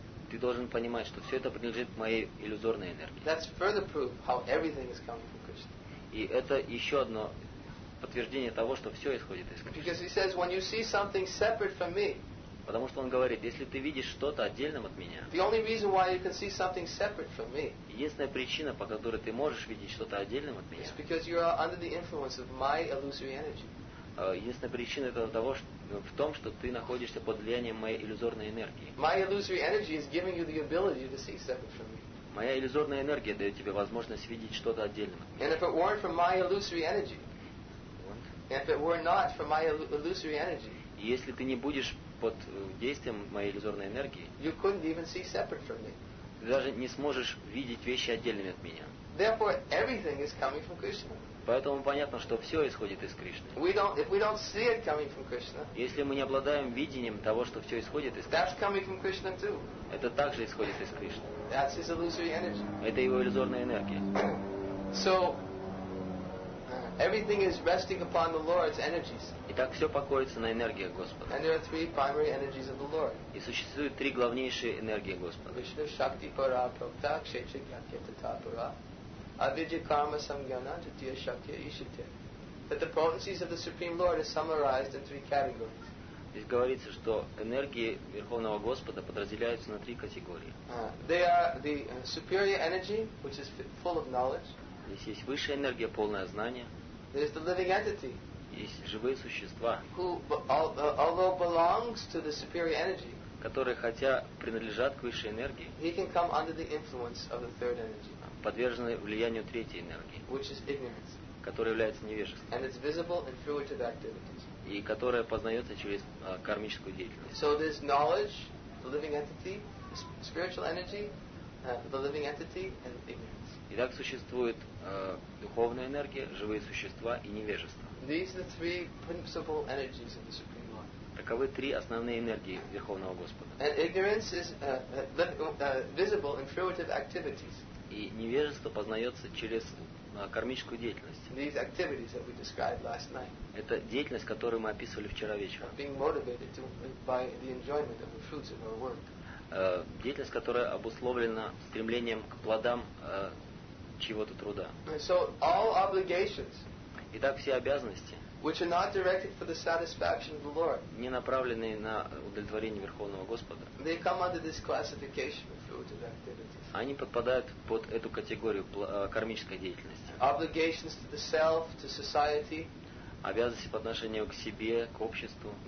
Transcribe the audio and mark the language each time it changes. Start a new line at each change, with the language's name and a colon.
Russian: Ты должен понимать, что все это принадлежит моей иллюзорной энергии.
English: That's further proof how everything is coming from Krishna.
Russian: И это еще одно подтверждение того, что все исходит из Кришны.
English: Because he says, when you see something separate from me,
Russian: потому что он говорит, если ты видишь что-то отдельным от меня,
English: the only reason why you can see something separate from me,
Russian: единственная причина, по которой ты можешь видеть что-то отдельным от меня,
English: is because you are under the influence of my illusory energy.
Russian: Единственная причина это в том, что ты находишься под влиянием моей иллюзорной энергии.
English: My illusory energy is giving you the ability to see separate from me.
Russian: Моя иллюзорная энергия дает тебе возможность видеть что-то отдельным от меня.
English: And if it weren't for my illusory energy, if it were not for my illusory energy,
Russian: если ты не будешь под действием моей иллюзорной энергии,
English: you couldn't even see separate from me.
Russian: Ты даже не сможешь видеть вещи отдельными от меня.
English: Therefore, everything is coming from Krishna.
Russian: Поэтому понятно, что все исходит из Кришны.
English: If we don't see it coming from Krishna,
Russian: если мы не обладаем видением того, что все исходит из Кришны,
English: that's coming from Krishna too.
Russian: Это также исходит из Кришны.
English: That's his illusory energy.
Russian: Это его иллюзорная энергия.
English: So, everything is resting upon the Lord's energies.
Russian: Итак, все покоится на энергии Господа.
English: And there are three primary energies of the Lord.
Russian: И существуют три главнейшие энергии Господа.
Sanskrit: Vishnu Shakti Para Prakta Kshetra Gyatya Tata Para Avidya Karma Samgyana Jatiya Shakti Ishite.
English: That the potencies of the Supreme Lord are summarized in three categories.
Russian: Здесь говорится, что энергии Верховного Господа подразделяются на три категории.
English: They are the superior energy, which is full of knowledge.
Russian: Здесь есть высшая энергия, полное знание.
English: There is the living entity.
Russian: Есть живые существа.
English: Who, although belongs to the superior energy,
Russian: которые хотя принадлежат к высшей энергии,
English: he can come under the influence of the third energy,
Russian: подвержены влиянию третьей энергии,
English: which is ignorance,
Russian: которая является невежеством,
English: and it's visible in fruitive activities,
Russian: и которая познается через кармическую деятельность.
English: So there's knowledge, the living entity, spiritual energy, the living entity, and ignorance.
Russian: Итак, существует духовная энергия, живые существа и невежество.
English: These are three principal energies of the Supreme Lord.
Russian: Таковы три основные энергии Верховного Господа.
English: And ignorance is visible in fruitive activities.
Russian: И невежество познается через кармическую деятельность.
English: These activities that we described last night.
Russian: Это деятельность, которую мы описывали вчера вечером.
English: Being motivated by the enjoyment of the fruits of our work.
Russian: Деятельность, которая обусловлена стремлением к плодам чего-то труда.
English: So all obligations,
Russian: итак, все обязанности,
English: which are not directed for the satisfaction of the Lord,
Russian: не направленные на удовлетворение Верховного Господа,
English: they come under this classification of fruitive activities.
Russian: Они подпадают под эту категорию кармической деятельности.
English: Obligations to the self, to society,
Russian: обязанности по отношению к себе, к обществу,